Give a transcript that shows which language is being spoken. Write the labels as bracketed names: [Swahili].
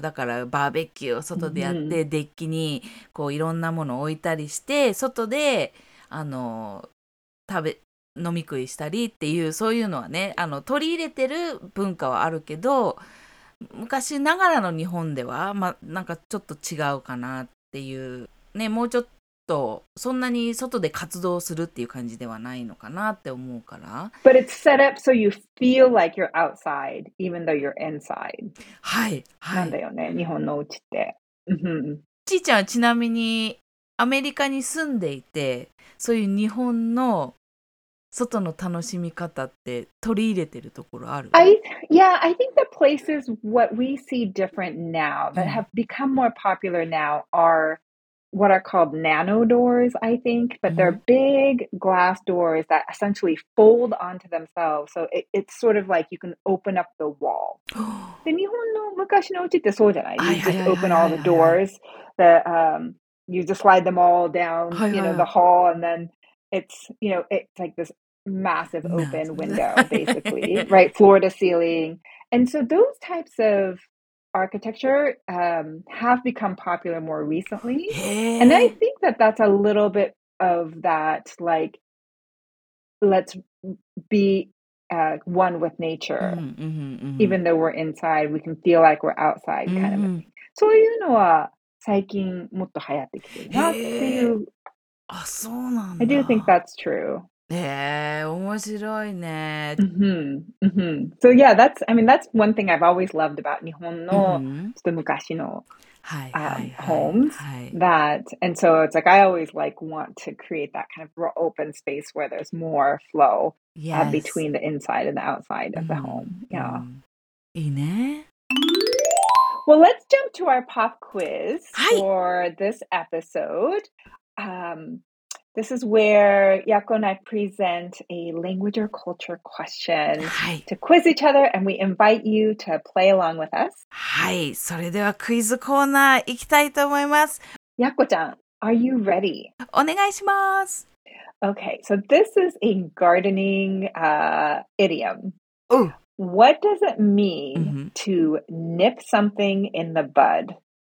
[Japanese] だからバーベキューを外でやって、うん、デッキにこういろんなものを置いたりして、外で、あの、食べ、飲み食いしたりっていう、そういうのはね、あの、取り入れてる文化はあるけど、昔ながらの日本では、ま、なんかちょっと違うかなっていう、ね、もうちょっと、そんなに外で活動するっていう感じではないのかなって思うから。 [English] But it's set up so you feel like you're outside even though you're inside. [Japanese] はい、はい。なんだよね、日本のうちって。ちーちゃんはちなみにアメリカに住んでいて、そういう日本の外の楽しみ方って取り入れてるところある？ [English] Yeah, I think the places what we see different now that have become more popular now are... what are called nano doors, I think, but they're big glass doors that essentially fold onto themselves. So it's sort of like you can open up the wall. [Japanese] で、日本の昔のうちってそうじゃない? [English] You just open all the doors, you just slide them all down, you know, the hall, and then it's, you know, it's like this massive open window, basically, right? Floor to ceiling. And so those types of,architecture have become popular more recently. And I think that that's a little bit of that, like, let's be one with nature. Mm-hmm, mm-hmm. Even though we're inside, we can feel like we're outside, kind mm-hmm. of. [Japanese] そういうのは最近もっと流行ってきてるなっていう。あ、そうなんだ。 [English] I do think that's true. [Japanese] 面白いね。 [English] Mm-hmm. Mm-hmm. So yeah, that's, I mean, that's one thing I've always loved about [Japanese] 日本の、 [English] mm-hmm. [Japanese] ちょっと昔の、 [English] homes. That, and so it's like, I always like want to create that kind of open space where there's more flow、 yes. Between the inside and the outside of、mm-hmm. the home. Yeah. [Japanese] いいね。 [English] Well, let's jump to our pop quiz for this episode. This is where Yako and I present a language or culture question、 [Japanese] はい、 [English] to quiz each other, and we invite you to play along with us. [Japanese] はい、それではクイズコーナー行きたいと思います。 [English] Yako ちゃん、are you ready? [Japanese] お願いします。 [English] Okay, so this is a gardening, idiom. Ooh. What does it mean、mm-hmm. to nip something in the bud?